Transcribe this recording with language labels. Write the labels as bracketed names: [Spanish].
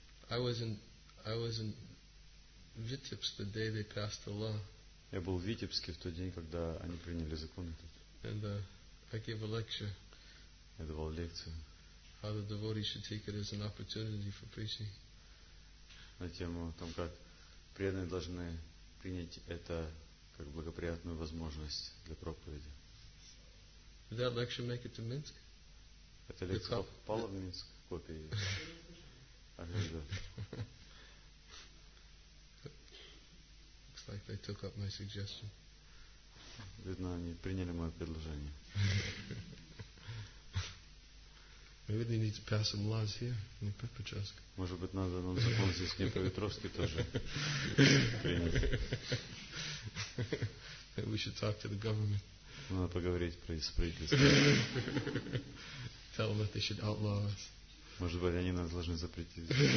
[English] I was in Vitebsk the day they passed the law. [Russian] Я был в Витебске в тот день, когда они приняли закон этот. [English] And I gave a lecture. [Russian] Я давал лекцию. [English] How the devotee should take it as an opportunity for preaching. [Russian] На тему о том, как преданные должны принять это как благоприятную возможность для проповеди. [English] Did that lecture make it to Minsk? [Russian] Эта лекция попала в Минск, копия ее. [English] Looks like they took up my suggestion. [Russian] Видно, они приняли мое предложение. [English] Maybe they need to pass some laws here in Dnipropetrovsk. [Russian] Может быть, надо нам закон здесь в Днепропетровске тоже принять. [English] Maybe we should talk to the government. [Russian] Надо поговорить про правительство. [English] Tell them that they should outlaw us. [Russian] Может быть, они нас должны запретить.